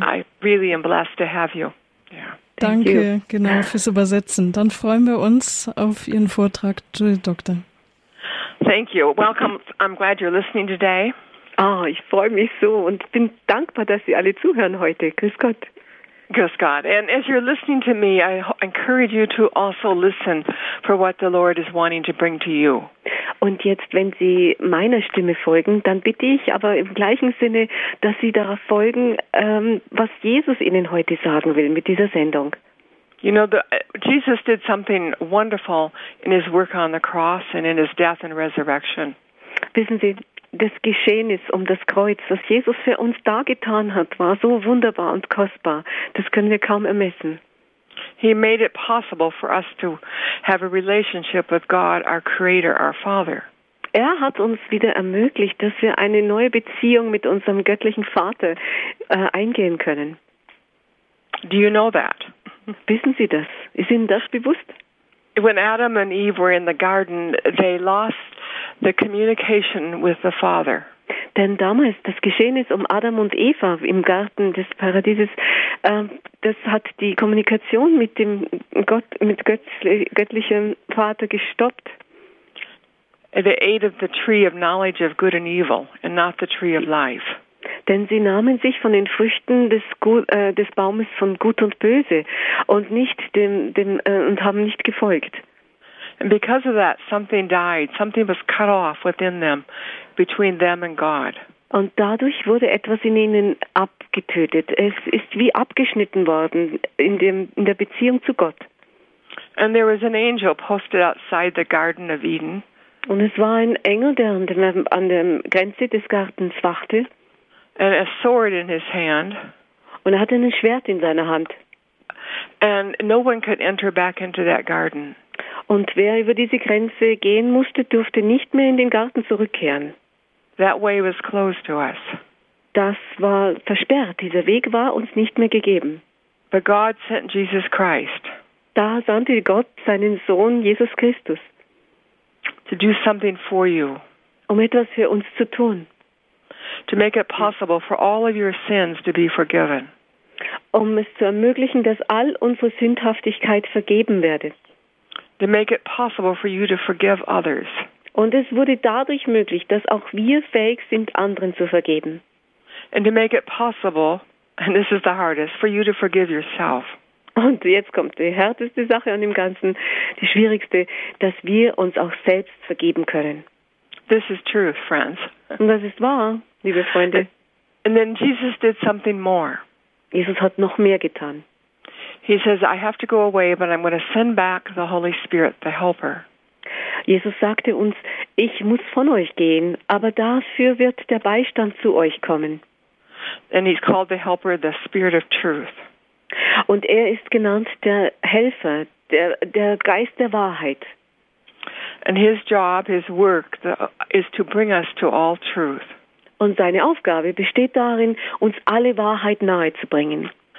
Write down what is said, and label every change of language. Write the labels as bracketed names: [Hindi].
[English] I really am blessed to have you. [German] Yeah. Danke, you. Genau, fürs Übersetzen. Dann freuen wir uns auf Ihren Vortrag, Judith Doctor. [English] Thank you. Welcome. I'm glad you're listening today. [German] Oh, ich freue mich so und bin dankbar, dass Sie alle zuhören heute. Grüß Gott. Grüß Gott. [English] And as you're listening to me, I encourage you to also listen for what the Lord is wanting to bring to you. [German] Und jetzt, wenn Sie meiner Stimme folgen, dann bitte ich aber im gleichen Sinne, dass Sie darauf folgen, was Jesus Ihnen heute sagen will mit dieser Sendung. [English] You know, Jesus did something wonderful in his work on the cross and in his death and resurrection. [German] Wissen Sie, das Geschehen ist um das Kreuz, was Jesus für uns da getan hat, war so wunderbar und kostbar. Das können wir kaum ermessen. [English] He made it possible for us to have a relationship with God, our Creator, our Father. [German] Er hat uns wieder ermöglicht, dass wir eine neue Beziehung mit unserem göttlichen Vater eingehen können. [English] Do you know that? [German] Wissen Sie das? Ist Ihnen das bewusst? [English] When Adam and Eve were in the garden, they lost the communication with the Father. [German] Denn damals, das Geschehen ist um Adam und Eva im Garten des Paradieses, das hat die Kommunikation mit dem Gott, mit göttlichem Vater gestoppt. [English] They ate of the tree of knowledge of good and evil, and not the tree of life. [German] Denn sie nahmen sich von den Früchten des Baumes von Gut und Böse und nicht und haben nicht gefolgt. [English] And because of that, something died. Something was cut off within them, between them and God. [German] Und dadurch wurde etwas in ihnen abgetötet. Es ist wie abgeschnitten worden in der Beziehung zu Gott. [English] And there was an angel posted outside the Garden of Eden. [German] Und es war ein Engel, der an der Grenze des Gartens wachte. [English] And a sword in his hand. [German] Und hatte ein Schwert in seiner Hand. [English] And no one could enter back into that garden. [German] Und wer über diese Grenze gehen musste, durfte nicht mehr in den Garten zurückkehren. [English] That way was closed to us. [German] Das war versperrt. Dieser Weg war uns nicht mehr gegeben. [English] But God sent Jesus Christ. [German] Da sandte Gott seinen Sohn Jesus Christus. [English] To do something for you. [German] Um etwas für uns zu tun. [English] To make it possible for all of your sins to be forgiven. [German] Um es zu ermöglichen, dass all unsere Sündhaftigkeit vergeben werde. [English] To make it possible for you to forgive others. [German] Und es wurde dadurch möglich, dass auch wir fähig sind, anderen zu vergeben. [English] And to make it possible, and this is the hardest, for you to forgive yourself. [German] Und jetzt kommt die härteste Sache an dem Ganzen, die schwierigste, dass wir uns auch selbst vergeben können. [English] This is true, friends. [German] Und das ist wahr, liebe Freunde. [English] And then Jesus did something more. [German] Jesus hat noch mehr getan. [English] He says, I have to go away, but I'm going to send back the Holy Spirit, the Helper. [German] Jesus sagte uns, ich muss von euch gehen, aber dafür wird der Beistand zu euch kommen. [English] And he's called the Helper, the Spirit of Truth. [German] Und ist genannt der Helfer, der Geist der Wahrheit. [English] And his job, his work, is to bring us to all truth. [German] Und seine Aufgabe besteht darin, uns alle Wahrheit nahezubringen.